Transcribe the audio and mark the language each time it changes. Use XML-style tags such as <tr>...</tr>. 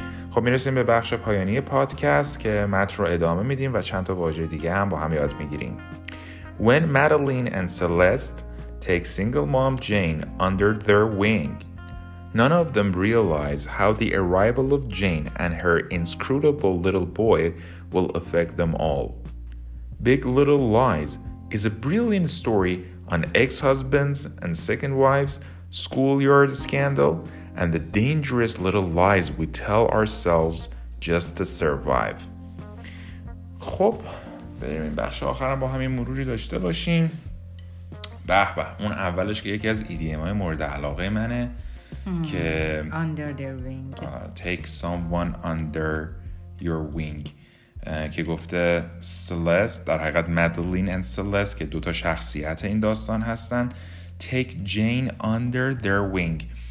<fa>خب میرسیم به بخش پایانی پادکست که متن رو ادامه میدیم و چند تا واژه دیگه هم با هم یاد میگیریم.</fa> <en>When Madeline and Celeste take single mom Jane under their wing, none of them realize how the arrival of Jane and her inscrutable little boy will affect them all. Big Little Lies is a brilliant story on ex-husbands and second wives, schoolyard scandal, and the dangerous little lies we tell ourselves just to survive.</en> <fa>خب بریم این بخش آخرم با همین مروری داشته باشیم. به به، اون اولش که یکی از ایدیم های مورد علاقه منه که</fa> <en>under their wing، take someone under your wing،</en> <fa>که گفته سلست، در حقیقت مادلین و سلست که دوتا شخصیت این داستان هستن،</fa> <en>take Jane under their wing.</en>